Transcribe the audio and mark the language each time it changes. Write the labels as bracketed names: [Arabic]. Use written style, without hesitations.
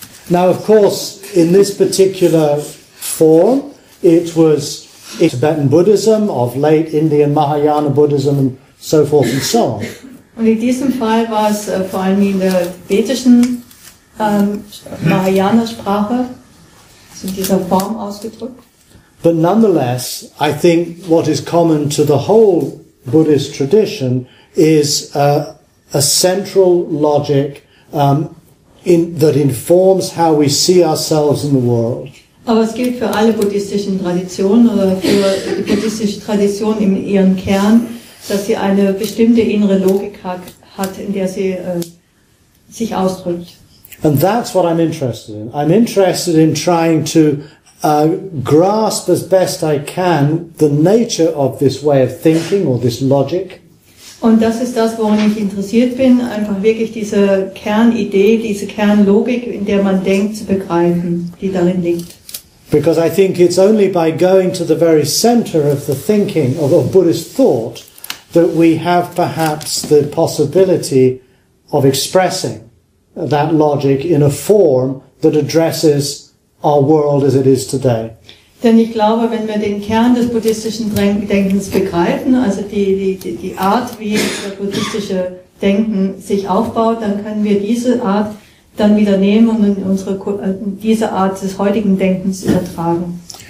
[English] Now, of course, in this particular form, it was Tibetan Buddhism, of late Indian Mahayana Buddhism, and so forth and so on. [German] Und in diesem Fall war es vor allem in der tibetischen Mahayana-Sprache, in dieser Form ausgedrückt. [English] But nonetheless, I think what is common to the whole Buddhist tradition is a central logic that informs how we see ourselves in the world. [German] Aber es gilt für alle buddhistischen Traditionen oder für die buddhistische Tradition in ihrem Kern, dass sie eine bestimmte innere Logik hat, in der sie sich ausdrückt. [English] And that's what I'm interested in. I'm interested in trying to grasp as best I can the nature of this way of thinking or this logic. [German] Und das ist das, worin ich interessiert bin, einfach wirklich diese Kernidee, diese Kernlogik, in der man denkt, zu begreifen, die darin liegt. [English] Because I think it's only by going to the very center of the thinking of Buddhist thought that we have perhaps the possibility of expressing that logic in a form that addresses our world as it is today. [German] Denn ich glaube, wenn wir den Kern des buddhistischen Denkens begreifen, also die Art, wie das buddhistische Denken sich aufbaut, dann können wir diese Art dann wieder nehmen und in unsere diese Art des heutigen Denkens übertragen.